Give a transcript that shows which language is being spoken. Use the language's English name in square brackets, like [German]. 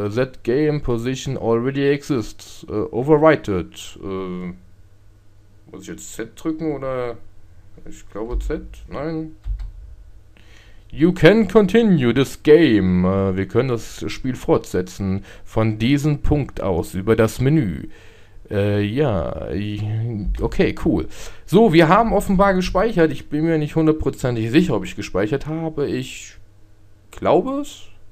[English] That game position already exists. Overwrited. [German] Muss ich jetzt Z drücken oder? Ich glaube Z. Nein. [English] You can continue this game. [German] Wir können das Spiel fortsetzen. Von diesem Punkt aus über das Menü. Okay, cool. So, wir haben offenbar gespeichert. Ich bin mir nicht hundertprozentig sicher, ob ich gespeichert habe. Ich glaube es.